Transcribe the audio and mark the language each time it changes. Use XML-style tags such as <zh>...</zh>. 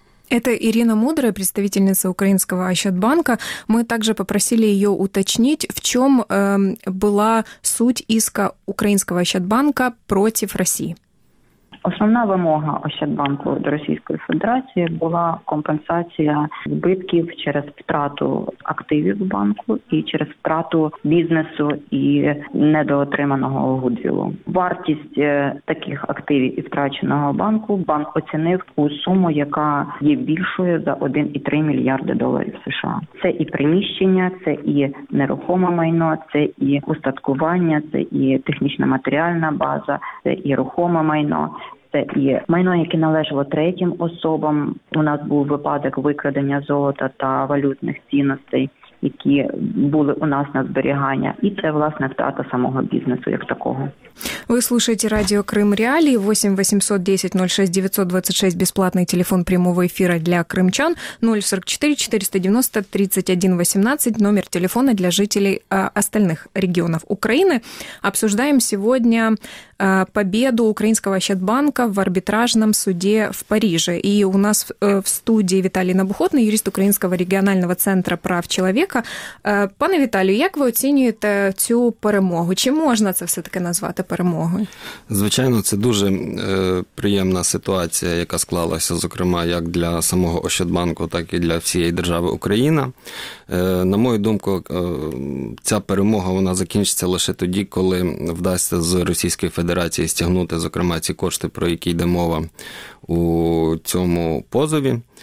<ru>Это Ирина Мудрая, представительница украинского Ощадбанка. Мы также попросили ее уточнить, в чем была суть иска украинского Ощадбанка против России.</ru> <uk>Основна вимога Ощадбанку до Російської Федерації була компенсація збитків через втрату активів банку і через втрату бізнесу і недоотриманого гудвілу. Вартість таких активів і втраченого банку банк оцінив у суму, яка є більшою за 1,3 мільярди доларів США. Це і приміщення, це і нерухоме майно, це і устаткування, це і технічна матеріальна база, це і рухоме майно. Це і майно, яке належало третім особам. У нас був випадок викрадення золота та валютних цінностей, які були у нас на зберігання. І це, власне, втрата самого бізнесу як такого. Ви слухаєте радіо «Крим Реалії». 8 800 10 06 926 – безплатний телефон прямого ефіру для кримчан.</uk> <ru>044 490 31 18 – номер телефона для жителей остальных регионов Украины. Обсуждаем сегодня победу украинского Ощадбанка в арбитражном суде в Париже. И у нас в студии Виталий Набухотный, юрист Украинского регионального центра прав человека.</ru> <uk>Пане Виталію, як ви оцінюєте цю перемогу? Чи можна це все-таки назвати перемогою? Звичайно, це дуже приємна ситуація, яка склалася, зокрема, як для самого Ощадбанку, так і для всієї держави Україна. На мою думку, ця перемога, вона закінчиться лише тоді, коли вдасться з Російської Федерації стягнути, зокрема, ці кошти, про які йде мова у цьому позові.</uk>